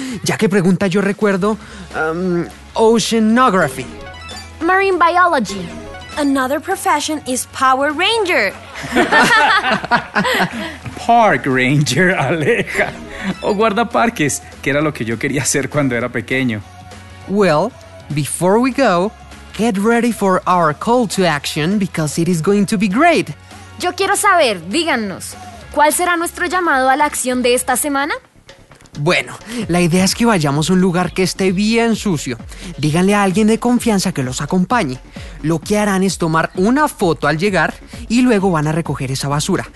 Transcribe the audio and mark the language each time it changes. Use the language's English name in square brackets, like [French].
[Spanish] Ya que pregunta, yo recuerdo... oceanography. [English] Marine biology. Another profession is power ranger. Park ranger, Aleja. [Spanish] O guardaparques, que era lo que yo quería hacer cuando era pequeño. [English] Well, before we go, get ready for our call to action because it is going to be great. [Spanish] Yo quiero saber, díganos, ¿cuál será nuestro llamado a la acción de esta semana? Bueno, la idea es que vayamos a un lugar que esté bien sucio. Díganle a alguien de confianza que los acompañe. Lo que harán es tomar una foto al llegar y luego van a recoger esa basura.